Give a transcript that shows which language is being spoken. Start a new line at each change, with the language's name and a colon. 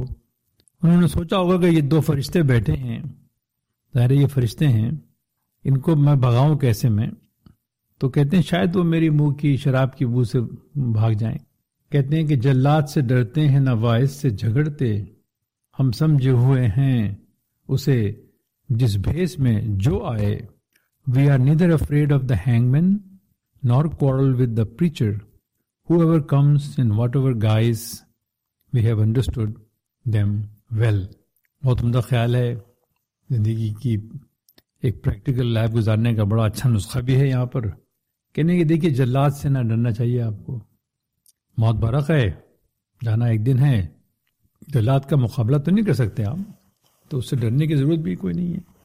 Urdu: انہوں نے سوچا ہوگا کہ یہ دو فرشتے بیٹھے ہیں, ظاہر ہے یہ فرشتے ہیں, ان کو میں بھگاؤں کیسے میں. تو کہتے ہیں شاید وہ میری منہ کی شراب کی بو سے بھاگ جائیں. کہتے ہیں کہ جلاد سے ڈرتے ہیں نہ وائس سے جھگڑتے, ہم سمجھے ہوئے ہیں اسے جس بھیس میں جو آئے.
English: We are neither afraid of the hangman nor quarrel with the preacher. Whoever comes in whatever guise, we have understood them well.
Urdu: بہت عمدہ خیال ہے, زندگی کی ایک پریکٹیکل لائف گزارنے کا بڑا اچھا نسخہ بھی ہے یہاں پر. کہنے کہ دیکھیے جلاد سے نہ ڈرنا چاہیے آپ کو, موت برق ہے, جانا ایک دن ہے, جلاد کا مقابلہ تو نہیں کر سکتے آپ, تو اس سے ڈرنے کی ضرورت بھی کوئی نہیں ہے.